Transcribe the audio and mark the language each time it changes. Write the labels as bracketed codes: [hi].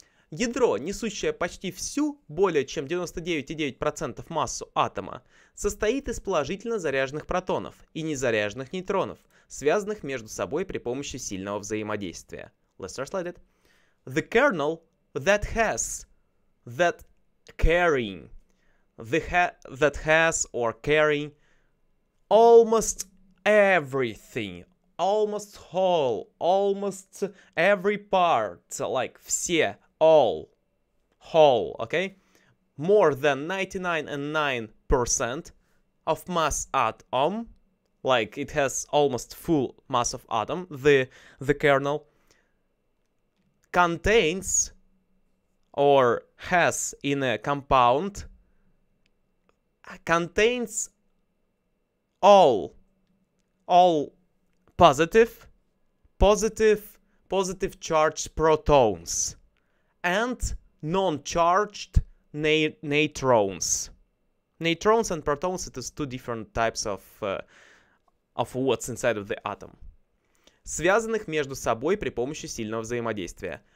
[ru] Ядро, несущее почти всю, более чем 99,9% массу атома, состоит из положительно заряженных протонов и незаряженных нейтронов, связанных между собой при помощи сильного взаимодействия. [en] Let's translate it. The kernel that has, that carrying, the that has or carrying almost everything, almost whole, almost every part, like все, all, whole, okay? More than 99.9% of mass atom, like it has almost full mass of atom, the kernel, contains or has in a compound, contains all positive charged protons. And non-charged neutrons. Neutrons and protons, it is two different types of what's inside of the atom. [ru] Связанных между собой при помощи сильного взаимодействия.